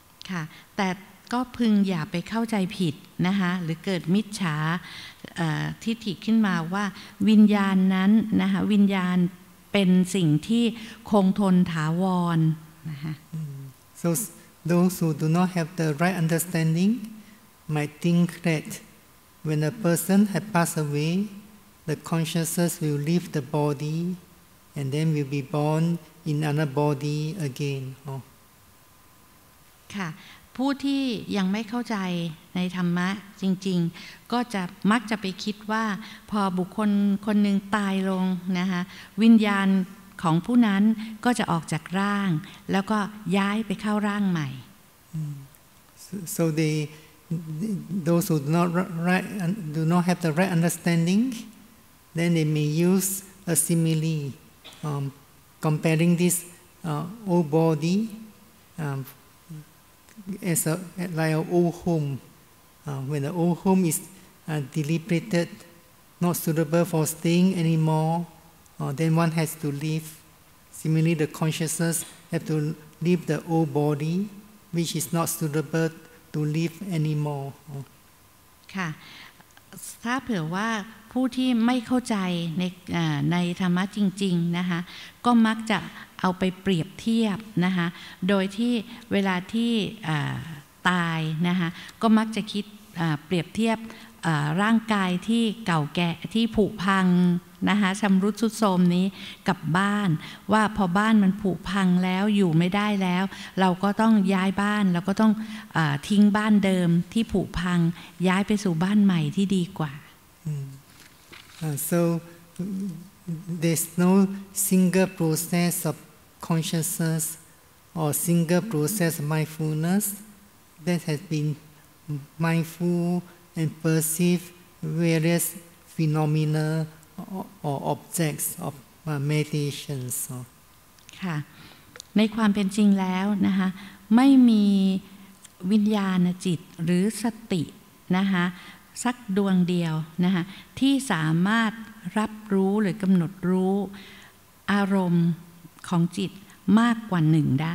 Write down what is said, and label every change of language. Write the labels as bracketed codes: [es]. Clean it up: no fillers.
[th] ค่ะแต่ก็พึงอย่าไปเข้าใจผิดนะคะหรือเกิดมิจฉาทิฏฐิขึ้นมาว่าวิญญาณนั้นนะคะวิญญาณเป็นสิ่งที่คงทนถาวรนะคะ [en] So those who do not have the right understanding might think that when a person has passed away the consciousness will leave the body and then will be born in another body again [th] ค่ะผู้ที่ยังไม่เข้าใจในธรรมะจริงๆก็จะมักจะไปคิดว่าพอบุคคลคนหนึ่งตายลงนะคะวิญญาณของผู้นั้นก็จะออกจากร่างแล้วก็ย้ายไปเข้าร่างใหม่ [en] So they those who do not have the right understanding then they may use a simile comparing this old body as a like an old home when the old home is deliberated not suitable for staying anymore then one has to leave similarly the consciousness have to leave the old body which is not suitable to live anymore ค่ะ [th] ถ้าเผื่อว่าผู้ที่ไม่เข้าใจในธรรมะจริงๆนะคะก็มักจะเอาไปเปรียบเทียบนะคะโดยที่เวลาที่ ตายนะคะก็มักจะคิดเปรียบเทียบร่างกายที่เก่าแก่ที่ผุพังนะคะชำรุดทรุดโทรมนี้กับบ้านว่าพอบ้านมันผุพังแล้วอยู่ไม่ได้แล้วเราก็ต้องย้ายบ้านเราก็ต้องทิ้งบ้านเดิมที่ผุพังย้ายไปสู่บ้านใหม่ที่ดีกว่า [en] So there's no single process of consciousness or single process of mindfulness that has been mindful and perceive various phenomenaor objects of meditation so [th] ค่ะในความเป็นจริงแล้วนะคะไม่มีวิญญาณจิตหรือสตินะคะสักดวงเดียวนะคะที่สามารถรับรู้หรือกำหนดรู้อารมณ์ของจิตมากกว่าหนึ่งได